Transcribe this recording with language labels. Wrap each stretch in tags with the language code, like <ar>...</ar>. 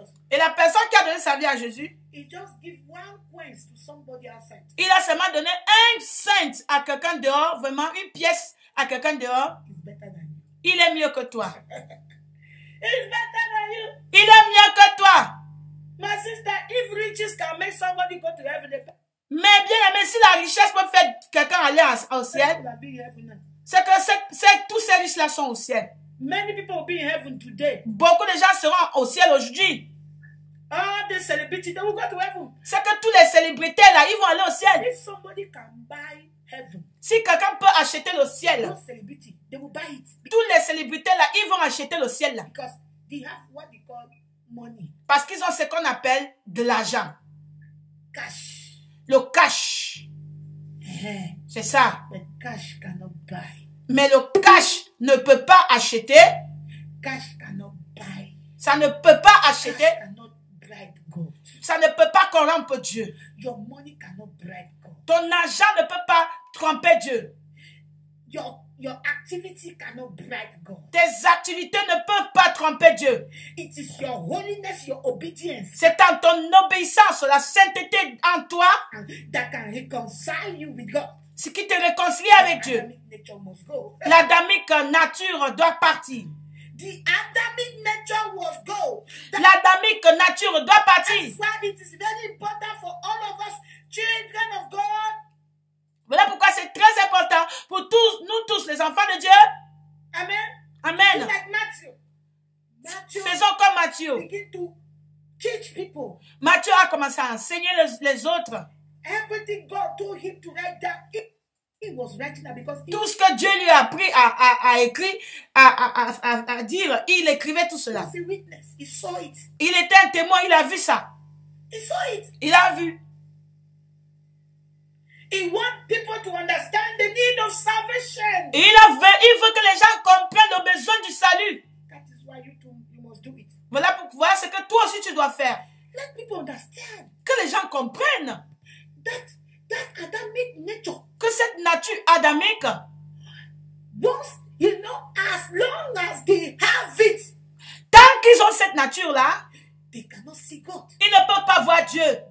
<fr>Et la personne qui a donné sa vie à Jésus,</fr> <en>he just give one coin to somebody outside.</en> <fr>Il a seulement donné un cent à quelqu'un dehors, vraiment une pièce à quelqu'un dehors. Il est mieux que toi.</fr> <en>He's better than you.</en> <fr>Il est mieux que toi.</fr> <en>My sister, if riches can make somebody go to heaven,</en> <fr>mais bien aimé, si la richesse peut faire quelqu'un aller au ciel, c'est que tous ces riches-là sont au ciel.</fr> <en>Many people will be in heaven today.</en> <fr>Beaucoup de gens seront au ciel aujourd'hui.</fr> <en>Ah, the celebrity, they will go to heaven.</en> <fr>C'est que tous les célébrités là, ils vont aller au ciel.</fr> <en>If somebody can buy heaven,</en> <fr>si quelqu'un peut acheter le ciel,</fr> <en>no celebrity, they will buy it.</en> <fr>Tous les célébrités là, ils vont acheter le ciel là.</fr> <en>Because they have what they call money.</en> <fr>Parce qu'ils ont ce qu'on appelle de l'argent.</fr> <en>Cash.</en> <fr>Le cash.</fr> <en>Hey,</en> <fr>c'est ça.</fr> <en>But cash cannot buy.</en> <fr>Mais le cash ne peut pas acheter.</fr> <en>Cash cannot buy.</en> <fr>Ça ne peut pas acheter.</fr> <en>Cash cannot bribe God.</en> <fr>Ça ne peut pas corrompre Dieu.</fr> <en>Your money cannot bribe God.</en> <fr>Ton argent ne peut pas tromper Dieu.</fr> <en>Your activity cannot bribe God.</en> <fr>Tes activités ne peuvent pas tromper Dieu.</fr> <en>It is your holiness, your obedience.</en> <fr>C'est en ton obéissance, la sainteté en toi,</fr> <en>that can reconcile you with God.</en> <fr>Ce qui te réconcilie avec Dieu. L'adamique nature doit partir.</fr> <en>The Adamic nature was go.</en> <fr>L'adamique nature doit partir.</fr> <en>It is very important for all of us, children of God.</en> <fr>Voilà pourquoi c'est très important pour tous, nous tous, les enfants de Dieu.</fr> <en>Amen.</en> <fr>Amen.</fr> <en>Like Matthew. Matthew.</en> <fr>Faisons comme Matthieu.</fr> <en>Begin to teach people.</en> <fr>Matthieu a commencé à enseigner les autres.</fr> <en>Everything God told him to write down. He was writing that because he,</en> <fr>tout ce que Dieu lui a appris à écrire, à dire, il écrivait tout cela.</fr> <en>He was a witness. He saw it.</en> <fr>Il était un témoin, il a vu ça.</fr> <en>He saw it.</en> <fr>Il a vu.</fr> <en>He want people to understand the need of salvation.</en> <fr>Il veut que les gens comprennent le besoin du salut.</fr> <en>That is why you must do it.</en> <fr>Voilà ce que toi aussi tu dois faire.</fr> <en>Let people understand.</en> <fr>Que les gens comprennent.</fr> <en>That Adamic nature.</en> <fr>Que cette nature adamique,</fr> <en>once You know, as long as they have it,</en> <fr>tant qu'ils ont cette nature-là,</fr> <en>they cannot see God.</en> <fr>Ils ne peuvent pas voir Dieu.</fr>